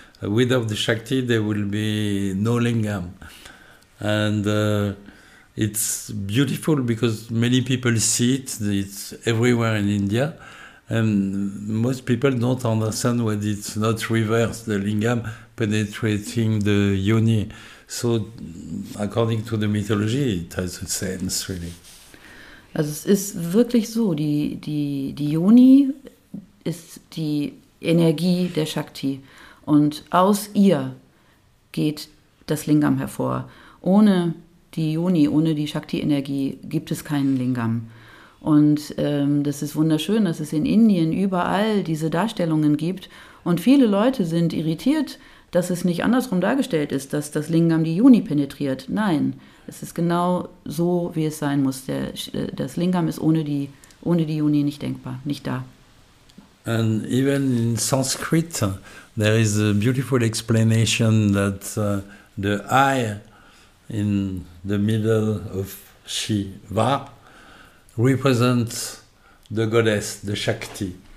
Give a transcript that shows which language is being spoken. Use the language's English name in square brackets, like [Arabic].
[English] Without the Shakti, there will be no Lingam. And it's beautiful because many people see it, it's everywhere in India, and most people don't understand when it's not reversed, the Lingam penetrating the Yoni. So, according to the mythology, it has a sense, really. [German] Also es ist wirklich so, die Yoni ist die Energie der Shakti und aus ihr geht das Lingam hervor. Ohne die Yoni, ohne die Shakti-Energie gibt es keinen Lingam. Und das ist wunderschön, dass es in Indien überall diese Darstellungen gibt und viele Leute sind irritiert, dass es nicht andersrum dargestellt ist, dass das Lingam die Yoni penetriert. Nein, es ist genau so, wie es sein muss. Das Lingam ist ohne die Yoni nicht denkbar, nicht da. [English] And even in Sanskrit, there is a beautiful explanation that the eye in the middle of Shiva represents the goddess, the Shakti.